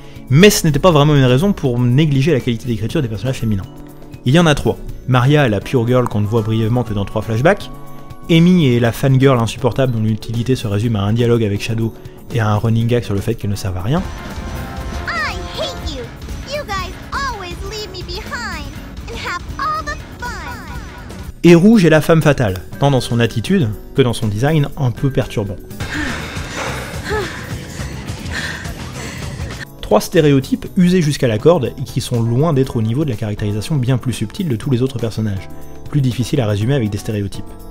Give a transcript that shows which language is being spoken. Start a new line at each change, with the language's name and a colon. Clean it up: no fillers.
French: Mais ce n'était pas vraiment une raison pour négliger la qualité d'écriture des personnages féminins. Il y en a trois. Maria, la pure girl qu'on ne voit brièvement que dans 3 flashbacks, Amy est la fangirl insupportable dont l'utilité se résume à un dialogue avec Shadow et à un running gag sur le fait qu'elle ne sert à rien.
English: I hate you. You guys always leave me behind and have all the fun.
French: Et Rouge est la femme fatale, tant dans son attitude que dans son design un peu perturbant. Trois stéréotypes usés jusqu'à la corde et qui sont loin d'être au niveau de la caractérisation bien plus subtile de tous les autres personnages, plus difficile à résumer avec des stéréotypes.